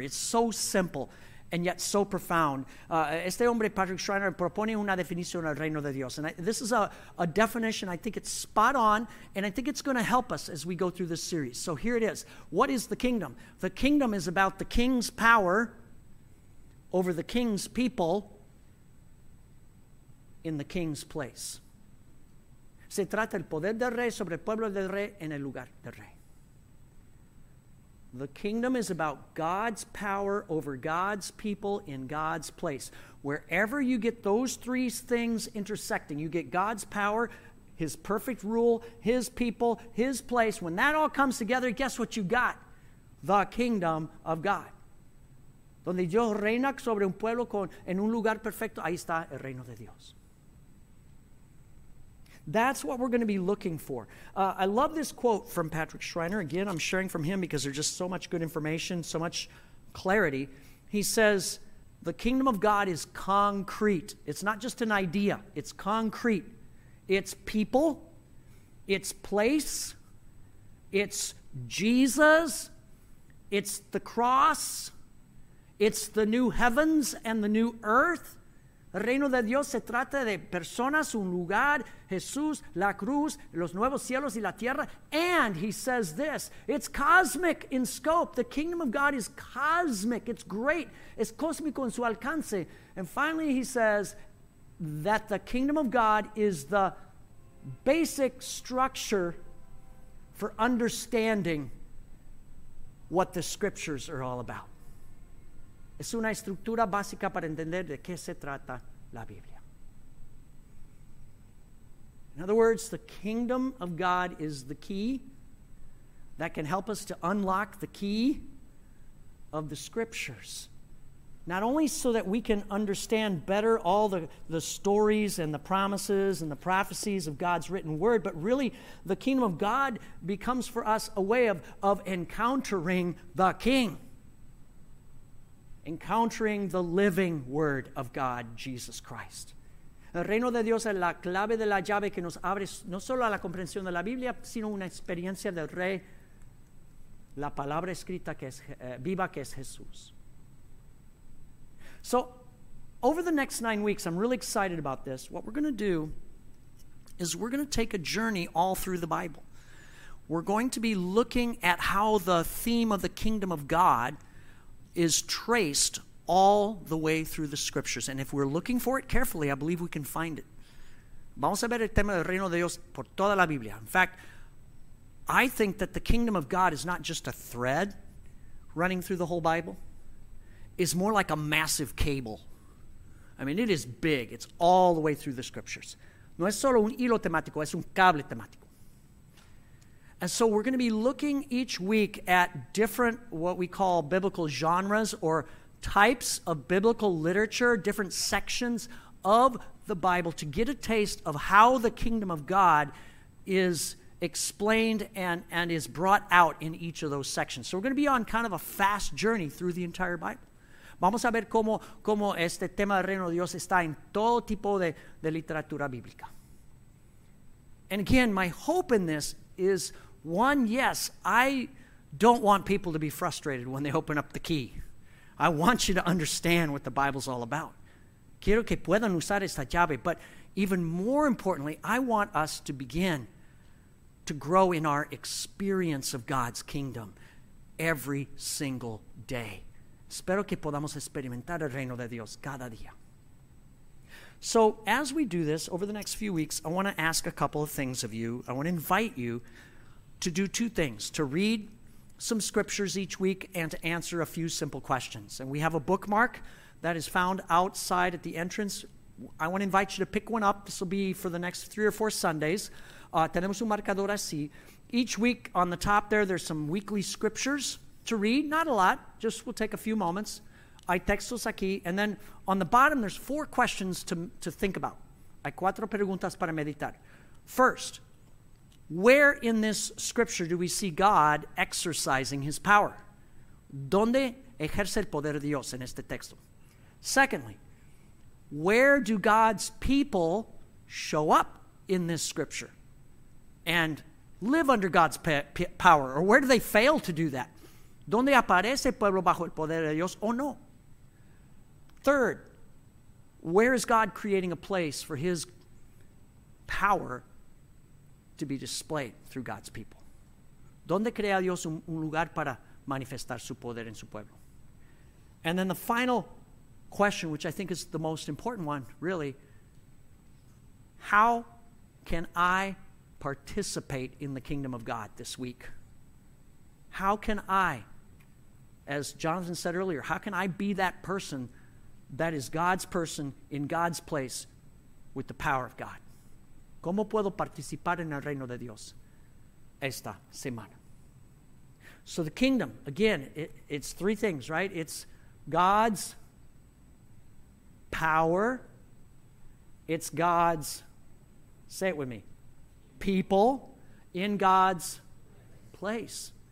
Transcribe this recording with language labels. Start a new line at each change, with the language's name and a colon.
English: It's so simple and yet so profound.
Spanish: Este hombre, Patrick Schreiner, propone una definición al reino de Dios.
English: And this is a definition, I think it's spot on, and I think it's going to help us as we go through this series. So here it is. What is the kingdom? The kingdom is about the king's power over the king's people in the king's place.
Spanish: Se trata el poder del rey sobre el pueblo del rey en el lugar del rey.
English: The kingdom is about God's power over God's people in God's place. Wherever you get those three things intersecting, you get God's power, His perfect rule, His people, His place. When that all comes together, guess what you got? The kingdom of God.
Spanish: Donde Dios reina sobre un pueblo con en un lugar perfecto, ahí está el reino de Dios.
English: That's what we're going to be looking for. I love this quote from Patrick Schreiner. Again, I'm sharing from him because there's just so much good information, so much clarity. He says, the kingdom of God is concrete. It's not just an idea. It's concrete. It's people. It's place. It's Jesus. It's the cross. It's the new heavens and the new earth.
Spanish: El reino de Dios se trata de personas, un lugar, Jesús, la cruz, los nuevos cielos y la tierra.
English: And he says this, it's cosmic in scope. The kingdom of God is cosmic. It's great.
Spanish: Es cósmico en su alcance.
English: And finally he says that the kingdom of God is the basic structure for understanding what the scriptures are all about.
Spanish: Es una estructura básica para entender de qué se trata la Biblia.
English: In other words, the kingdom of God is the key that can help us to unlock the key of the scriptures. Not only so that we can understand better all the stories and the promises and the prophecies of God's written word, but really the kingdom of God becomes for us a way of encountering the King. Encountering the living word of God, Jesus Christ.
Spanish: El reino de Dios es la clave de la llave que nos abre no solo a la comprensión de la Biblia, sino una experiencia del Rey, la palabra escrita que es viva, que es Jesús.
English: So, over the next 9 weeks, I'm really excited about this. What we're going to do is we're going to take a journey all through the Bible. We're going to be looking at how the theme of the kingdom of God is traced all the way through the scriptures. And if we're looking for it carefully, I believe we can find it.
Spanish: Vamos a ver el tema del reino de Dios por toda la Biblia.
English: In fact, I think that the kingdom of God is not just a thread running through the whole Bible. It's more like a massive cable. I mean, it is big. It's all the way through the scriptures.
Spanish: No es solo un hilo temático, es un cable temático.
English: And so we're going to be looking each week at different, what we call biblical genres or types of biblical literature, different sections of the Bible to get a taste of how the kingdom of God is explained and is brought out in each of those sections. So we're going to be on kind of a fast journey through the entire Bible.
Spanish: Vamos a ver cómo este tema del reino de Dios está en todo tipo de literatura bíblica.
English: And again, my hope in this is, one, yes, I don't want people to be frustrated when they open up the key. I want you to understand what the Bible's all about.
Spanish: Quiero que puedan usar esta llave.
English: But even more importantly, I want us to begin to grow in our experience of God's kingdom every single day.
Spanish: Espero que podamos experimentar el reino de Dios cada día.
English: So as we do this over the next few weeks, I want to ask a couple of things of you. I want to invite you to do two things: to read some scriptures each week and to answer a few simple questions. And we have a bookmark that is found outside at the entrance. I want to invite you to pick one up. This will be for the next three or four Sundays.
Spanish: Tenemos un marcador así.
English: Each week on the top there's some weekly scriptures to read. Not a lot. Just will take a few moments.
Spanish: Hay textos aquí.
English: And then on the bottom, there's four questions to think about.
Spanish: Hay cuatro preguntas para meditar.
English: First, where in this scripture do we see God exercising his power?
Spanish: ¿Dónde ejerce el poder de Dios en este texto?
English: Secondly, where do God's people show up in this scripture and live under God's power? Or where do they fail to do that?
Spanish: ¿Dónde aparece el pueblo bajo el poder de Dios o no?
English: Third, where is God creating a place for his power to be displayed through God's people?
Spanish: ¿Dónde crea Dios un lugar para manifestar su poder en su pueblo?
English: And then the final question, which I think is the most important one, really: how can I participate in the kingdom of God this week? How can I, as Jonathan said earlier, how can I be that person that is God's person in God's place with the power of God?
Spanish: ¿Cómo puedo participar en el reino de Dios esta semana?
English: So the kingdom, again, it's three things, right? It's God's power, it's God's, say it with me, people in God's place.